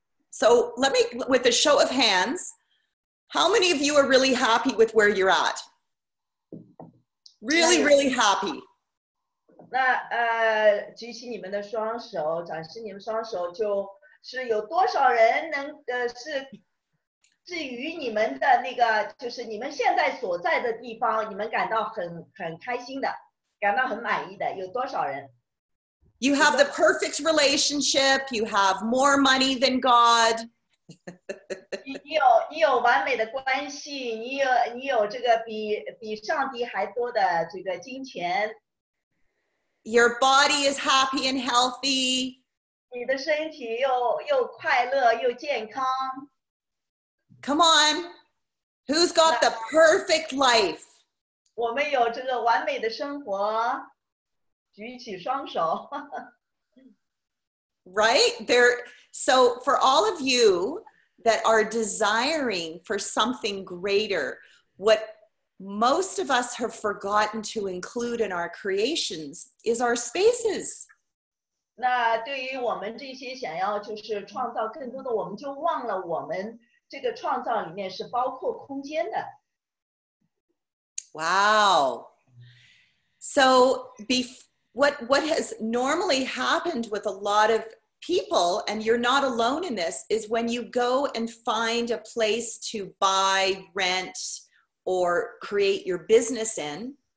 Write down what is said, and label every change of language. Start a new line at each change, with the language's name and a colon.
English: So let me, with a show of hands, how many of you are really happy with where you're at? Really, really happy.
Chinese: 那举起你们的双手，展示你们双手，就是有多少人能是与你们的那个，就是你们现在所在的地方，你们感到很开心的，感到很满意的，有多少人
English: ？You have the perfect relationship. You have more money than God.
Chinese: 你有完美的关系，你有这个比上帝还多的这个金钱。
English: Your body is happy and healthy.
Chinese: 你的身体又快乐又健康。
English: Come on, who's got the perfect life?
Chinese: 我们有这个完美的生活，举起双手。
English: Right there. So for all of you that are desiring for something greater, what most of us have forgotten to include in our creations is our spaces.
Chinese: 那对于我们这些想要就是创造更多的，我们就忘了我们这个创造里面是包括空间的。
English: Wow. So what has normally happened with a lot of people, and you're not alone in this, is when you go and find a place to buy, rent, or create your business in.